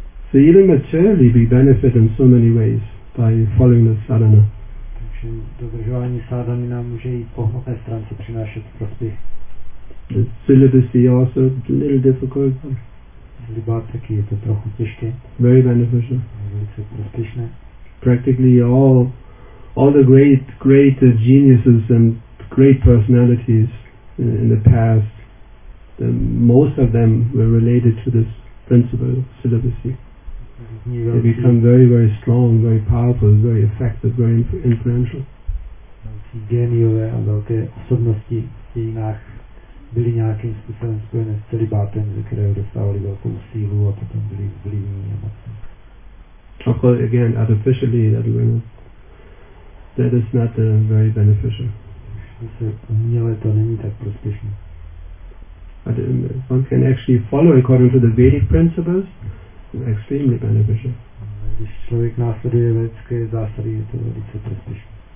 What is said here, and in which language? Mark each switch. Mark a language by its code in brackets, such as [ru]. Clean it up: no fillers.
[en] So even materially we benefit in so many ways by following the sadhana. [cs] Takže dodržování sadhany nám může i po hmotné stránce přinášet prospěch. [en] The celibacy also a little difficult. [cs] Libát taky je to trochu těžké. [en] Very beneficial. [cs] Velice prospěšné. [en] Practically all the great geniuses and great personalities in the past, the most of them were related to this principle of celibacy. They become very, very strong, very powerful, very effective, very influential. [cs] Geniové a velké osobnosti v dějinách byly nějakým způsobem spojené s celibátem, ze kterého dostávali velkou sílu a potom byli vlivní a mocní. [en] Of course, again, artificially, that is not very beneficial. [cs] Se uměle, to není tak prospěšné. [en] But one can actually follow according to the Vedic principles, extremely beneficial. [cs] Když člověk následuje vědecké zásady, je to velice prospěšné.